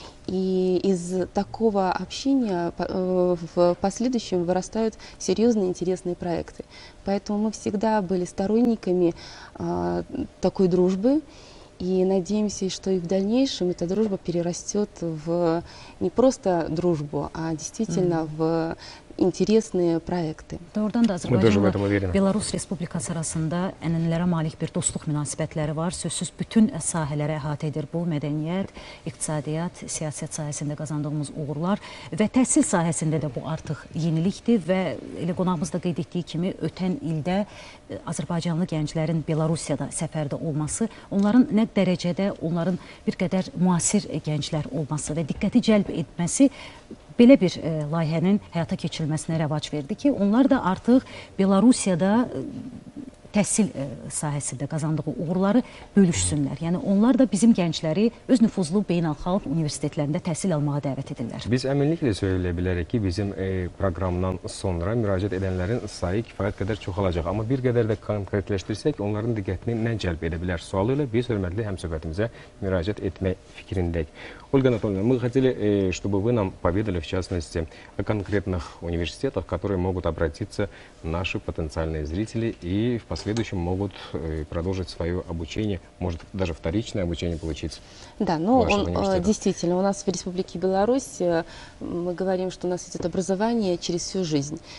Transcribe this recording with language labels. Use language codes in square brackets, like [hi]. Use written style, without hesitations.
[ru] И из такого общения в последующем вырастают серьезные, интересные проекты. Поэтому мы всегда были сторонниками такой дружбы. И надеемся, что и в дальнейшем эта дружба перерастет в не просто дружбу, а действительно в интересные проекты. [az] Doğrudan da Azərbaycanla Belarus Respublikası arasında ənənələrə malik bir dostluq münasibətləri var. Sözsüz bütün sahələrə əhatə edir bu mədəniyyət, iqtisadiyyat, siyasət sahəsində qazandığımız uğurlar və təhsil sahəsində də bu artıq yenilikdir və elə qonağımız da qeyd etdiyi kimi ötən ildə azərbaycanlı gənclərin Belarusiyada səfərdə olması, onların nə dərəcədə onların bir qədər müasir gənclər olması və diqqəti cəlb etməsi belə bir layihənin həyata keçirilməsinə rəvac verdi ki, onlar da artıq Belarusiyada təhsil sahəsində qazandığı uğurları bölüşsünlər. Yəni, onlar da bizim gəncləri öz nüfuzlu beynəlxalq universitetlərində təhsil almağa dəvət edirlər. Biz əminliklə söylə bilərik ki, bizim proqramdan sonra müraciət edənlərin sayı kifayət qədər çoxalacaq. Amma bir qədər də konkretləşdirsək, onların diqqətini nə cəlb edə bilər sualı ilə biz hörmətli həmsöhbətimizə müraciət etmək fikrindəyik. [ru] Ольга Анатольевна, мы хотели, чтобы вы нам поведали, в частности, о конкретных университетах, которые могут обратиться наши потенциальные зрители и в последующем могут продолжить свое обучение, может даже вторичное обучение получить. Да, ну, действительно, у нас в Республике Беларусь, мы говорим, что у нас идет образование через всю жизнь.